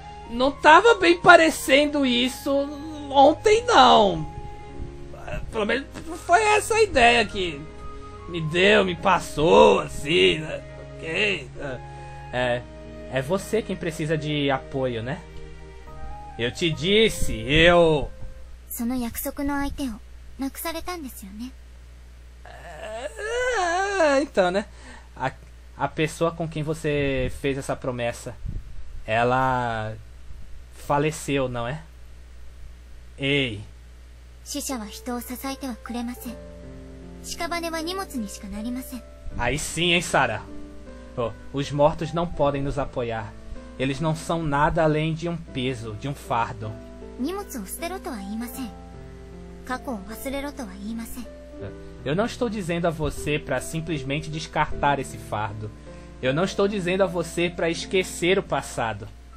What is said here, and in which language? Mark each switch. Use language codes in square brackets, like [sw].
[pt] Não tava bem parecendo isso ontem, não. Pelo menos foi essa a ideia que me deu, me passou, assim, né? Ok. É você quem precisa de apoio, né? Eu te disse, eu... [ja] その約束の相手をなくされたんですよね。 [pt] Então, né? A pessoa com quem você fez essa promessa, ela faleceu, não é? Ei. [ja] 死者は人を支えてはくれません。屍は荷物にしかなりません。 [pt] Aí sim, hein, Sara? Oh, os mortos não podem nos apoiar. Eles não são nada além de um peso, de um fardo. [ja] 荷物を捨てろとは言いません。過去を忘れろとは言いません。 [pt] Eu não estou dizendo a você para simplesmente descartar esse fardo. Eu não estou dizendo a você para esquecer o passado.